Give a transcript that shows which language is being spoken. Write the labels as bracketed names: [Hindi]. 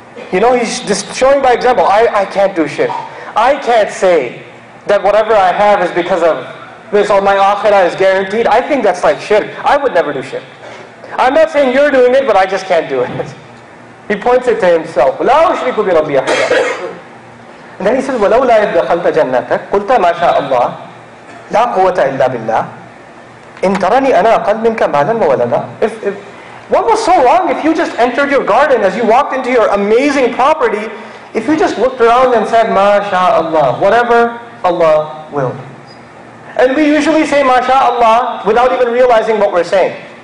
[English] You know, he's just showing by example, I can't do shirk. I can't say that whatever I have is because of this, or my akhirah is guaranteed. I think that's like shirk. I would never do shirk. I'm not saying you're doing it, but I just can't do it. He points it to himself. [Arabic] لَا أُشْرِكُ بِرَبِّي أَحَدًا. And then he says, وَلَوْ لَا يَدْدَخَلْتَ جَنَّتَكَ قُلْتَ مَا شَاءَ اللَّهِ لَا قُوَّةَ إِلَّا بِاللَّهِ إِن تَرَنِي أَنَا أَقَلْ مِنْكَ مَالًا وَوَلَدًا. [English] If what was so wrong if you just entered your garden as you walked into your amazing property, if you just looked around and said, MashaAllah, whatever Allah will. And we usually say MashaAllah without even realizing what we're saying.